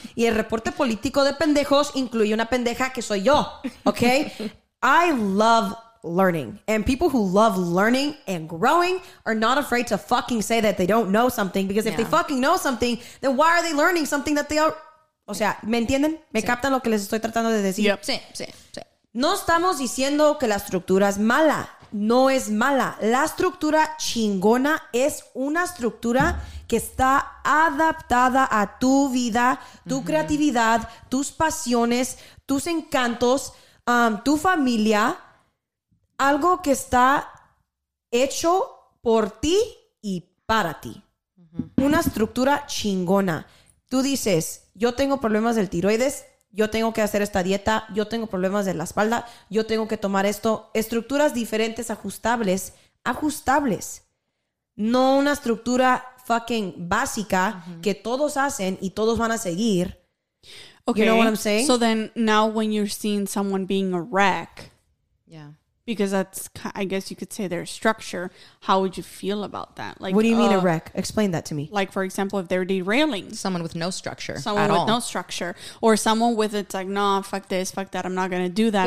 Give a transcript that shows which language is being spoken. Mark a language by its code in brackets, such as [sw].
[es] Y el reporte político de pendejos incluye una pendeja que soy yo. [en] Okay? I love learning. And people who love learning and growing are not afraid to fucking say that they don't know something. Because if they fucking know something, then why are they learning something that they are... [es] O sea, ¿me entienden? ¿Me captan lo que les estoy tratando de decir? Yep. Sí, sí, sí. No estamos diciendo que la estructura es mala. No es mala. La estructura chingona es una estructura que está adaptada a tu vida, tu creatividad, tus pasiones, tus encantos, tu familia. Algo que está hecho por ti y para ti. Una estructura chingona. Tú dices, yo tengo problemas del tiroides, yo tengo que hacer esta dieta, yo tengo problemas de la espalda, yo tengo que tomar esto. Estructuras diferentes, ajustables, ajustables. No una estructura [en] fucking [es] básica que todos hacen y todos van a seguir. [en] Okay. You know what I'm saying? So then now when you're seeing someone being a wreck, because that's, I guess you could say their structure, how would you feel about that? Like, what do you mean a wreck? Explain that to me. Like, for example, if they're derailing. Someone with no structure. Someone at with all. No structure. Or someone with, it's like, no, fuck this, fuck that. I'm not going to do that.